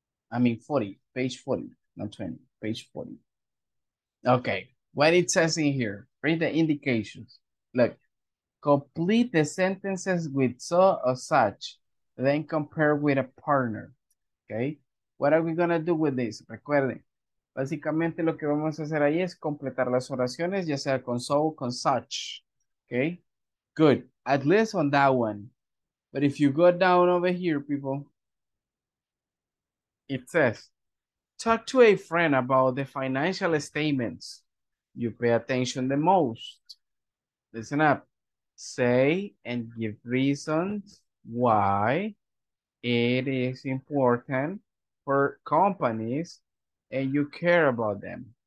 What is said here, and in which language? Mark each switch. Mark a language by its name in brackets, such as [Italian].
[English] I mean, 40, page 40, not 20, page 40. Okay, what it says in here, read the indications. Look, complete the sentences with so or such, then compare with a partner, okay? What are we gonna do with this? [Spanish] Recuerden, básicamente lo que vamos a hacer ahí es completar las oraciones, ya sea con so o con such, okay? [English] Good, at least on that one. But if you go down over here, people, it says, talk to a friend about the financial statements you pay attention the most. Listen up. Say and give reasons why it is important for companies and you care about them.